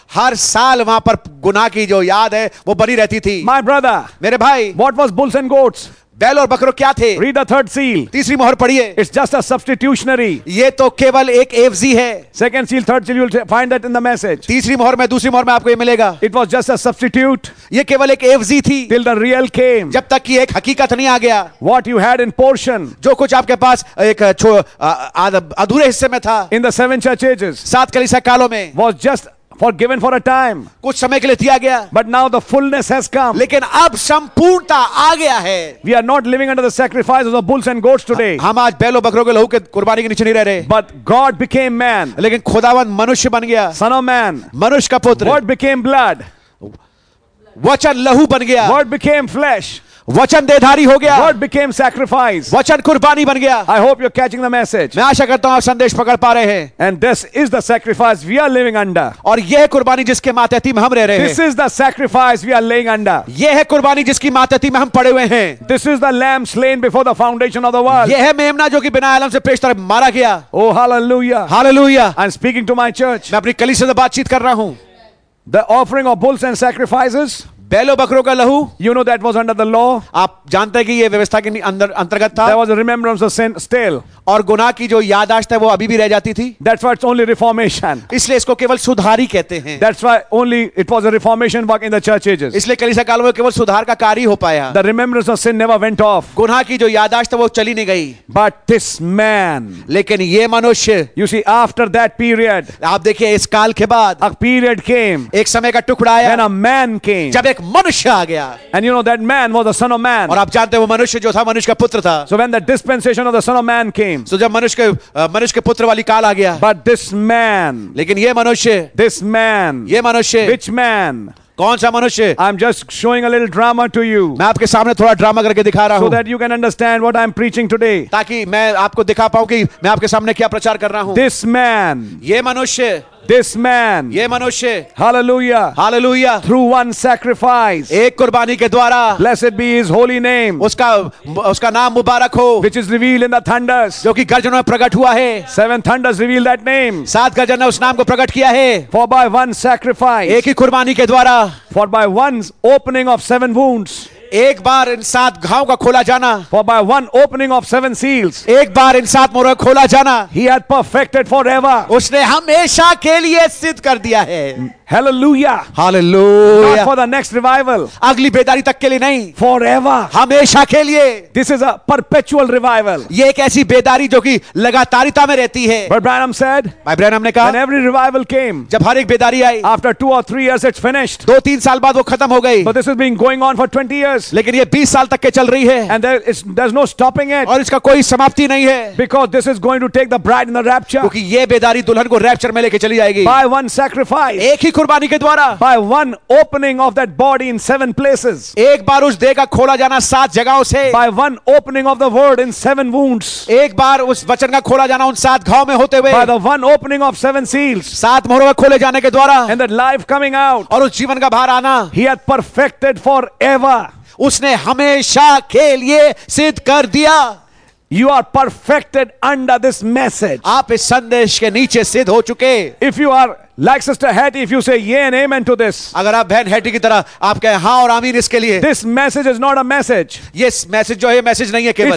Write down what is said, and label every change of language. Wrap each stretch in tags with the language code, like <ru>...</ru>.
<hi>हर साल वहां पर गुनाह की जो याद है वो बनी रहती थी.</hi> <en>My brother.</en> <hi>मेरे भाई.</hi> <en>What was bulls and goats?</en> <hi>बैल और बकरों क्या थे?</hi> <en>Read the third seal.</en> <hi>तीसरी मोहर पढ़िए.</hi> <en>It's just a substitutionary.</en> <hi>ये तो केवल एक एवजी है.</hi> <en>Second seal, third seal, you'll find that in the message.</en> <hi>तीसरी मोहर में, दूसरी मोहर में आपको ये मिलेगा.</hi> <en>It was just a substitute.</en> <hi>ये केवल एक एवजी थी.</hi> <en>Till the real came.</en> <hi>जब तक कि एक हकीकत नहीं आ गया.</hi> <en>What you had in portion.</en> <hi>जो कुछ आपके पास एक अधूरे हिस्से में था.</hi> <en>In the seven church ages.</en> <hi>सात कलीसिया कालों में.</hi> <en>Was just For given for a time.</en> <hi>कुछ समय के लिए दिया गया.</hi> <en>But now the fullness has come.</en> <hi>लेकिन अब संपूर्णता आ गया है.</hi> <en>We are not living under the sacrifice of the bulls and goats today.</en> <hi>हम आज बैलों बकरों के लहू के कुर्बानी के नीचे नहीं रह रहे.</hi> <en>But God became man.</en> <hi>लेकिन खुदावंद मनुष्य बन गया.</hi> <en>Son of man.</en> <hi>मनुष्य का पुत्र.</hi> <en>Word became blood.</en> <hi>वचन लहू बन गया.</hi> <en>Word became flesh.</en> <hi>वचन देहधारी हो गया.</hi> <en>Word became sacrifice.</en> <hi>वचन कुर्बानी बन गया.</hi> <en>I hope you're catching the message.</en> <hi>मैं आशा करता हूं आप संदेश पकड़ पा रहे हैं.</hi> <en>And this is the sacrifice we are living under.</en> <hi>और यह कुर्बानी जिसके मातहती में हम रह रहे हैं.</hi> <en>This is the sacrifice we are laying under.</en> <hi>यह है कुर्बानी जिसकी मातहती में हम पड़े हुए हैं.</hi> <en>This is the lamb slain before the foundation of the world.</en> <hi>यह है मेमना जो कि बिना आलम से पेश तरह मारा गया.</hi> <en>Oh hallelujah. Hallelujah. I'm speaking to my church.</en> <hi>मैं अपनी कलीसिया से बातचीत कर रहा हूं.</hi> <en>The offering of bulls and sacrifices.</en> <hi>बैलों बकरों का लहू</hi> <en>you know that was under the law</en> <hi>आप जानते हैं कि ये व्यवस्था के अंतर्गत था</hi> <en>there was a remembrance of sin still.</en> <hi>और गुनाह की जो याददाश्त है वो अभी भी रह जाती थी</hi> <en>That's why it's only reformation.</en> <hi>इसलिए इसको केवल सुधारी कहते हैं</hi> <en>That's why only it was a reformation work in the church ages.</en> <hi>इसलिए कलीसिया काल में केवल सुधार का कार्य हो पाया</hi> <en>The remembrance of sin never went off.</en> <hi>गुनाह की जो याददाश्त वो चली नहीं गई</hi> <en>But this man,</en> <hi>लेकिन ये मनुष्य</hi> <en>you see after that period</en> <hi>आप देखिए इस काल के बाद</hi> <en>a period came,</en> <hi>एक समय का टुकड़ा आया</hi> <en>when a man came.</en> <hi>जब एक मनुष्य आ गया</hi> <en>And you know that man was the son of man.</en> <hi>और आप जानते हैं वो मनुष्य जो था मनुष्य का पुत्र था</hi> <en>So when the dispensation of the son of man came,</en> <hi>So, जब मनुष्य के पुत्र वाली काल आ गया</hi> <en>but this man</en> <hi>लेकिन ये मनुष्य</hi> <en>this man</en> <hi>ये मनुष्य</hi> <en>which man</en> <hi>कौन सा मनुष्य</hi> <en>I am just showing a little drama to you</en> <hi>मैं आपके सामने थोड़ा ड्रामा करके दिखा रहा हूं</hi> <en>so that you can understand what I am preaching today</en> <hi>ताकि मैं आपको दिखा पाऊं कि मैं आपके सामने क्या प्रचार कर रहा हूं</hi> <en>this man</en> <hi>ये मनुष्य</hi> <en>This man,</en> <hi>ये मनुष्य,</hi> <en>Hallelujah, Hallelujah, through one sacrifice,</en> <hi>एक कुर्बानी के द्वारा,</hi> <en>blessed be His holy name,</en> <hi>उसका नाम मुबारक हो,</hi> <en>which is revealed in the thunders,</en> <hi>जो कि गर्जनों में प्रकट हुआ है,</hi> <en>seven thunders reveal that name,</en> <hi>सात गर्जन ने उस नाम को प्रकट किया है,</hi> <en>for by one sacrifice,</en> <hi>एक ही कुर्बानी के द्वारा,</hi> <en>for by one's opening of seven wounds.</en> <hi>एक बार इन सात घावों का खोला जाना</hi> <en>for by one opening of seven seals</en> <hi>एक बार इन सात मोहरों का खोला जाना</hi> <en>he had perfected forever</en> <hi>उसने हमेशा के लिए सिद्ध कर दिया है</hi> <en>Hallelujah! Hallelujah! Not for the next revival.</en> <hi>अगली बेदारी तक के लिए नहीं.</hi> <en>Forever.</en> <hi>हमेशा के लिए.</hi> <en>This is a perpetual revival.</en> <hi>ये एक ऐसी बेदारी जो कि लगातारिता में रहती है.</hi> <en>But Branham said.</en> <hi>भाई ब्रैनम ने कहा.</hi> <en>When every revival came.</en> <hi>जब हर एक बेदारी आई.</hi> <en>After two or three years, it's finished.</en> <hi>दो तीन साल बाद वो खत्म हो गई.</hi> <en>But this has been going on for 20 years.</en> <hi>लेकिन ये 20 साल तक के चल रही है.</hi> <en>And there's no stopping it.</en> <hi>और इसका कोई समाप्ति नहीं है.</hi> <en>Because this is going to take the bride in the rapture.</en> <hi>क्योंकि ये बेदारी दुल्हन को रैप्चर में लेके चली जाएगी.</hi> <en>By one sacrifice.</en> <hi>एक ही कुर्बानी के द्वारा</hi> <en>By one opening of that body in seven places.</en> <hi>एक बार उस देह का खोला जाना सात जगहों से</hi> <en>By one opening of the word in seven wounds.</en> <hi>एक बार उस वचन का खोला जाना उन सात घावों में होते हुए</hi> <en>By the one opening of seven seals.</en> <hi>सात मोहरों का खोले जाने के द्वारा</hi> <en>And that life coming out.</en> <hi>और उस जीवन का बाहर आना</hi> <en>He had perfected forever.</en> <hi>उसने हमेशा के लिए सिद्ध कर दिया</hi> <en>You are perfected under this message.</en> <hi>आप इस संदेश के नीचे सिद्ध हो चुके</hi> <en>If you are Like Sister Hattie, if you say yeah and amen to this,</en> <hi>अगर आप बहन हैटी की तरह आप कहें हाँ और आमीन इसके लिए,</hi> <en>this message is not a message. Yes,</en> <hi>message जो है message नहीं है केवल.</hi>